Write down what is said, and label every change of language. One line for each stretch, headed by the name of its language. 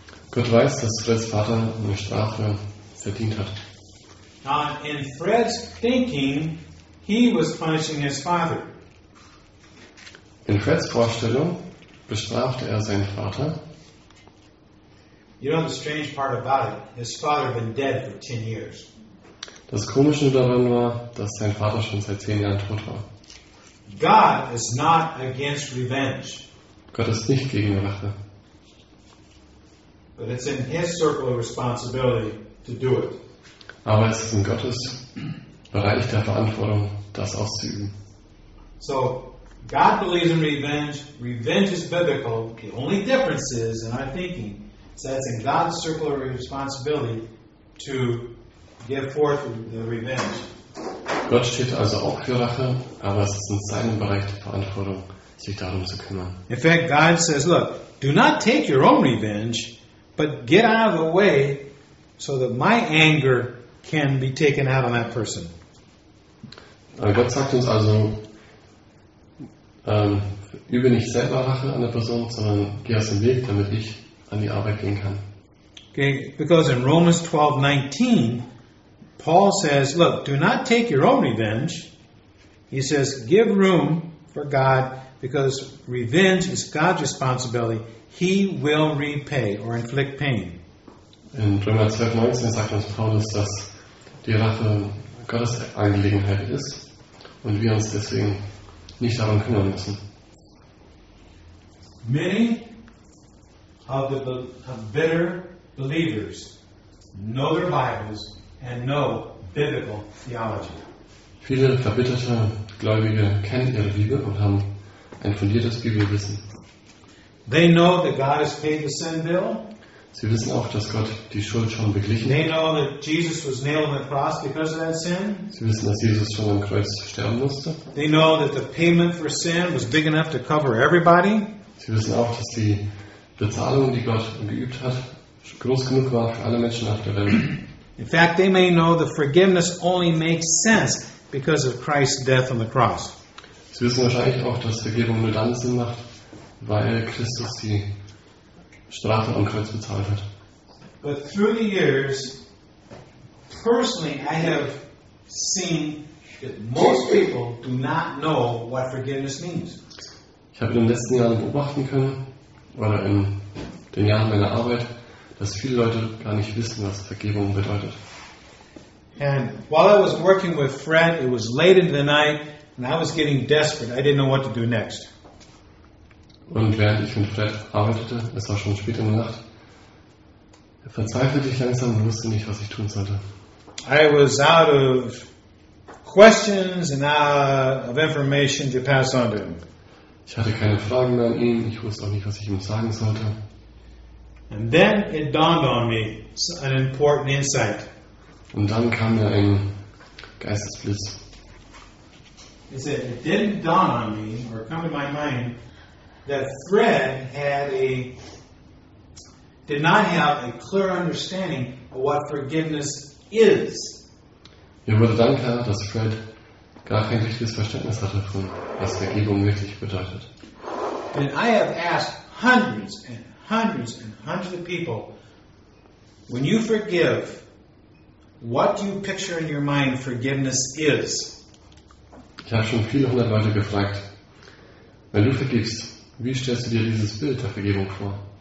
German: Gott weiß, dass Fred's Vater eine Strafe verdient hat.
English: Now, in Fred's thinking, he was punishing his father.
German: In Fred's Vorstellung bestrafte er seinen Vater.
English: You know the strange part about it? His father had been dead for 10 years.
German: Das Komische daran war, dass sein Vater schon seit 10 Jahren tot war.
English: God is not against revenge.
German: Gott ist nicht gegen Rache.
English: But it's in his circle of responsibility to do it.
German: Aber es ist in Gottes Bereich der Verantwortung, das auszuüben.
English: So, God believes in revenge. Revenge is biblical. The only difference is in our thinking. So that's in God's circle of responsibility to give forth the revenge.
German: Gott steht also auch für Rache, aber es ist in seinem Bereich die Verantwortung, sich darum zu kümmern.
English: In fact, God says, look, do not take your own revenge, but get out of the way so that my anger can be taken out on that person.
German: Gott sagt uns also, übe nicht selber Rache an der Person, sondern geh aus dem Weg, damit ich an die Arbeit gehen kann.
English: Okay, because in Romans 12:19, Paul says, look, do not take your own revenge. He says, give room for God, because revenge is God's responsibility. He will repay or inflict pain.
German: In Römer 12:19 sagt uns Paulus, dass die Rache Gottes Angelegenheit ist und wir uns deswegen nicht daran kümmern müssen.
English: Many of the bitter believers know their Bibles and know biblical theology.
German: Viele verbitterte Gläubige kennen ihre Bibel und haben ein fundiertes Bibelwissen.
English: They know that God has paid the sin bill.
German: Sie wissen auch, dass Gott die Schuld schon beglichen
English: hat. They know that Jesus was nailed on the cross because of that sin.
German: Sie wissen, dass Jesus schon am Kreuz sterben musste.
English: They know that the payment for sin was big enough to cover everybody.
German: Sie wissen auch, dass die Bezahlung, die Gott geübt hat, groß genug war für alle Menschen auf der Welt.
English: In fact, they may know the forgiveness only makes sense because of Christ's death on the cross.
German: Sie wissen wahrscheinlich auch, dass Vergebung nur dann Sinn macht, weil Christus die Strafe am Kreuz bezahlt hat.
English: But through the years, personally, I have seen that most people do not know what forgiveness means.
German: Ich habe in den letzten Jahren beobachten können, oder in den Jahren meiner Arbeit, dass viele Leute gar nicht wissen, was Vergebung bedeutet.
English: And while I was working with Fred, it was late into the night, and I was getting desperate. I didn't know what to do next.
German: Und während ich mit Fred arbeitete, es war schon spät in der Nacht, verzweifelte ich langsam und wusste nicht, was ich tun sollte.
English: I was out of questions and out of information to pass on to him.
German: Ich hatte keine Fragen mehr an ihn. Ich wusste auch nicht, was ich ihm sagen sollte.
English: And then it dawned on me an important insight.
German: Und dann kam mir ein Geistesblitz.
English: It said, it didn't dawn on me or come to my mind that Fred did not have a clear understanding of what forgiveness is.
German: Mir wurde dann klar, dass Fred gar kein richtiges Verständnis hatte von, was Vergebung wirklich bedeutet.
English: And I have asked hundreds and hundreds and hundreds of people, when you forgive, what do you picture in your mind forgiveness is?
German: Ich habe schon viele hundert Leute gefragt, wenn du vergibst, wie stellst du dir dieses Bild der Vergebung vor?